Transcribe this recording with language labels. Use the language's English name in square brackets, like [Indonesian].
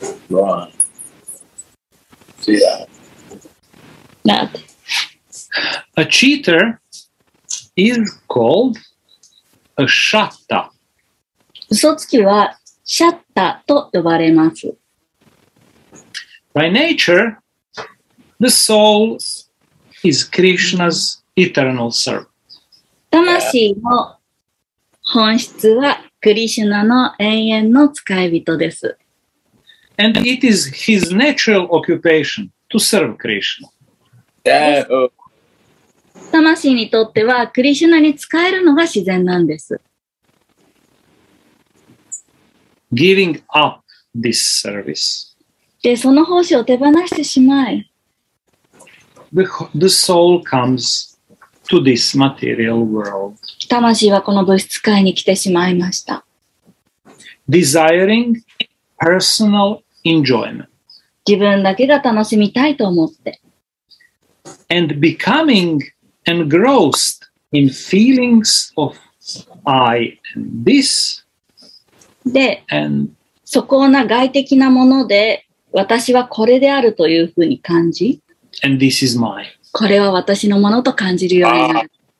[English] Go on. See that. A cheater is called a shatta. [Japanese] 嘘つきはシャッターと呼ばれます。 [English] By nature, the soul is Krishna's eternal servant. [Japanese] 魂の本質はクリシュナの永遠の使い人です。 [English] And it is his natural occupation to serve Krishna. [Japanese] 魂にとってはクリシュナに使えるのが自然なんです。 [English] Giving up this service. [Japanese] で、その奉仕を手放してしまい。 [English] The soul comes to this material world. [Japanese] 魂はこの物質界に来てしまいました。 [English] Desiring personal enjoyment. [Japanese] 自分だけが楽しみたいと思って。 [English] And becoming engrossed in feelings of I and this. [Japanese] で、そこな外的なもので、私はこれであるというふうに感じ、 [English] And this is mine. [Japanese] これは私のものと感じるようになる。